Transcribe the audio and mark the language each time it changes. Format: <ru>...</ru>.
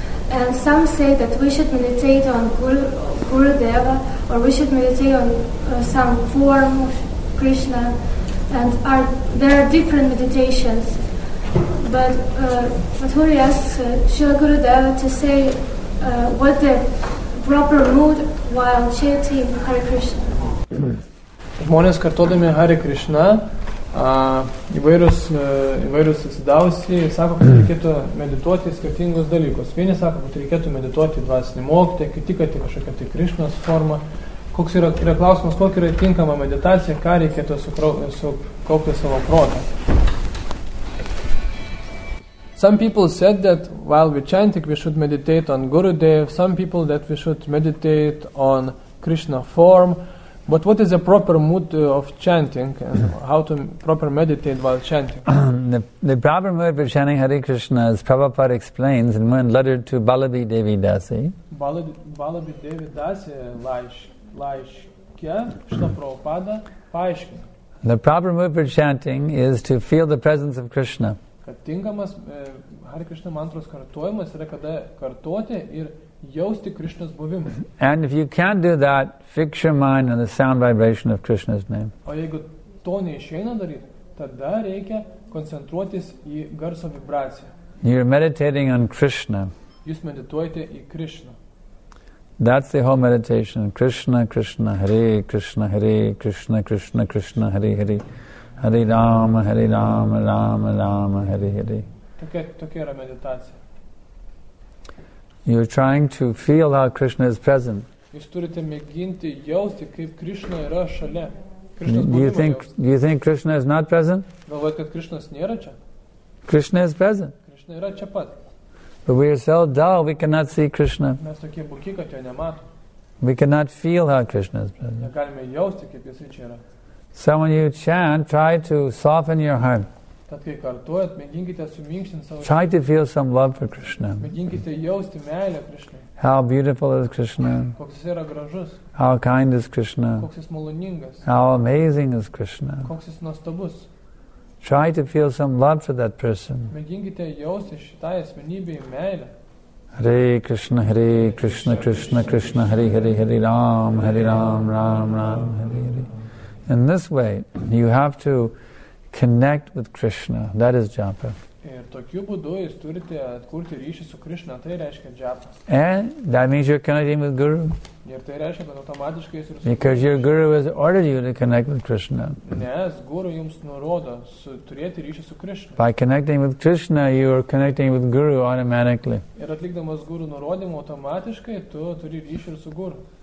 <en>And some say that we should meditate on Gurudeva, or we should meditate on some form of Krishna. And there are different meditations. But Mathuri asks Srila Gurudeva to say what the proper mood while chanting Hare Krishna.</en> <lt>Žmonės kartodami Hare Krishna, įvairius atsidavusi, sako, kad reikėtų medituoti skirtingus dalykus. Vieni sako, kad reikėtų medituoti dvasinį mokytį, kiti, kad tai kažkokia tai Krishnos forma. Koks yra klausimas, kokia yra tinkama meditacija, ką reikėtų sukaupti savo protą.</lt> <en>Some people said that while we chanting, we should meditate on Gurudev, some people that we should meditate on Krishna form. But what is the proper mood of chanting and how to proper meditate while chanting? The proper mood for chanting Hare Krishna, as Prabhupada explains in one letter to Balabi Devi Dasi.</en> <lt>Balabi Devi Dasi laiškė, šita Prabhupada paaiškina.</lt> <en>The proper mood for chanting is to feel the presence of Krishna.</en> <lt>Kad tinkamas Hare Krishna mantros kartojimas yra kada kartoti ir jausti Krishnas buvimą.</lt> <en>And if you can't do that, fix your mind on the sound vibration of Krishna's name.</en> <lt>O jeigu to neišeina daryti, tada reikia koncentruotis į garso vibraciją.</lt> <en>You're meditating on Krishna.</en> <lt>Jūs medituojate į Krishna.</lt> <en>That's the whole meditation.</en> <sa>Krishna, Krishna, Hare Krishna, Hare Krishna, Krishna, Krishna, Hare Hare. Hare Rama, Hare Rama, Rama Rama, Hare Hare.</sa> <lt>Tokia yra meditacija.</lt> <en>You're trying to feel how Krishna is present.</en> <lt>Jūs turite mėginti jausti, kaip Krishna yra šalia.</lt> <en>Do you think Krishna is not present?</en> <lt>Galvojat, kad Krishnas nėra čia?</lt> <en>Krishna is present.</en> <lt>Krishna yra čia pat.</lt> <en>But we are so dull, we cannot see Krishna.</en> <lt>Mes tokie buki, kad jo nematom.</lt> <en>We cannot feel how Krishna is present.</en> <lt>Negalime jausti, kaip jis čia yra.</lt> <en>So when you chant, try to soften your heart.</en> <lt>Tad kai kartuojat, mėginkite suminkštinti savo.</lt> <en>Try to feel some love for Krishna.</en> <lt>Mėginkite jausti meilę Krishnai.</lt> <en>How beautiful is Krishna.</en> <lt>Koks jis yra gražus.</lt> <en>How kind is Krishna.</en> <lt>Koks jis maloningas.</lt> <en>How amazing is Krishna.</en> <lt>Koks jis nuostabus.</lt> <en>Try to feel some love for that person.</en> <lt>Mėginkite jausti šitai asmenybei meilę.</lt> <sa>Hare Krishna, Hare Krishna, Krishna Krishna, Hare Hare, Hare Ram, Hare Ram, Ram Ram, Hare Hare.</sa> <en>In this way, you have to connect with Krishna. That is japa.</en> <lt>Ir tokiu būdu jūs turite atkurti ryšį su Krishna. Tai reiškia japa.</lt> <en>And that means you're connecting with Guru.</en> <lt>Ir tai reiškia, kad automatiškai jūs ir su Krishna.</lt> <en>Because your Guru has ordered you to connect with Krishna.</en> <lt>Nes Guru jums nurodo turėti ryšį su Krishna.</lt> <en>By connecting with Krishna, you are connecting with Guru automatically.</en> <lt>Ir atlikdamas Guru nurodymą automatiškai, tu turi ryšį ir su Guru.</lt>